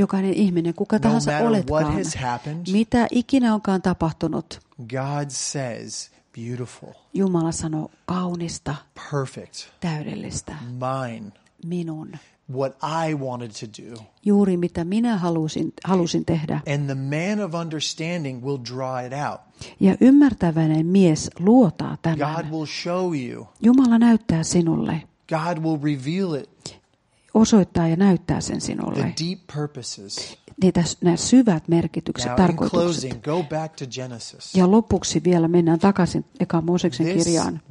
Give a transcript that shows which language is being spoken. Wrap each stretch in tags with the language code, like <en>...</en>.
<fi>Jokainen ihminen, kuka tahansa oletkaan.</fi> <en>What has happened.</en> <fi>Mitä ikinä onkaan tapahtunut.</fi> <en>God says beautiful.</en> <fi>Jumala sanoo kaunista.</fi> <en>Perfect.</en> <fi>Täydellistä.</fi> <en>Mine.</en> <fi>Minun.</fi> <en>What I wanted to do.</en> <fi>Juuri mitä minä halusin tehdä.</fi> <en>And the man of understanding will draw it out.</en> <fi>Ja ymmärtäväinen mies luotaa tämän.</fi> <en>God will show you.</en> <fi>Jumala näyttää sinulle.</fi> <en>God will reveal it.</en> <fi>Osoittaa ja näyttää sen sinulle.</fi> <en>The deep purposes.</en> <fi>Nämä syvät merkitykset,</fi> <en>now,</en> <fi>tarkoitukset.</fi> <en>Closing, go back to Genesis.</en> <fi>Ja lopuksi vielä mennään takaisin ekaan Mooseksen kirjaan.</fi>